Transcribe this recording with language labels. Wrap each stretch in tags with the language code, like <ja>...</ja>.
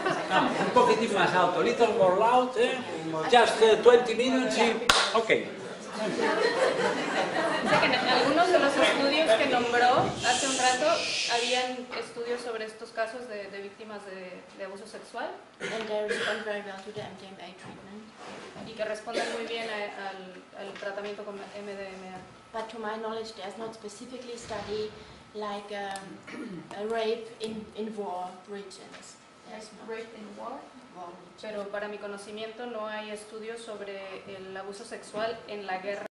<es>Vamos, un poquitín más alto,</es> <en>little more loud, just 20 minutes</en> <es>y... Ok. En algunos de los estudios que nombró hace un rato, habían estudios sobre estos casos de víctimas de abuso sexual.</es> <en>And they respond very well to the MDMA treatment.</en> <es>Y que responden muy bien al tratamiento con MDMA.</es> <en>But to my knowledge, there's not specifically study like a rape in war regions. Yes, no. Rape in war? War.</en> <es>Pero para mi conocimiento no hay estudios sobre el abuso sexual en la guerra.</es>